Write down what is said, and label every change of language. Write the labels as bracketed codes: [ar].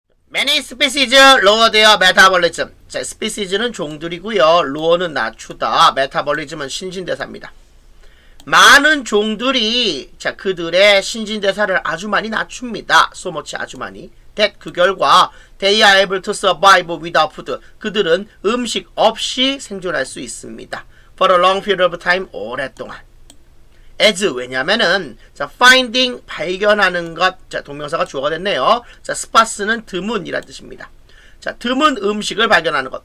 [en] Many species lower their metabolism. [ko] 자, species는 종들이고요. lower는 낮추다. metabolism은 신진대사입니다. 많은 종들이 자, 그들의 신진대사를 아주 많이 낮춥니다. [en] so much [ko] 아주 많이. [en] that [ko] 그 결과 [en] they are able to survive without food. [ko] 그들은 음식 없이 생존할 수 있습니다. [en] for a long period of time, [ko] 오랫동안. as, 왜냐면은, 자, finding, 발견하는 것, 자, 동명사가 주어가 됐네요. 자, sparse는 드문이란 뜻입니다. 자, 드문 음식을 발견하는 것.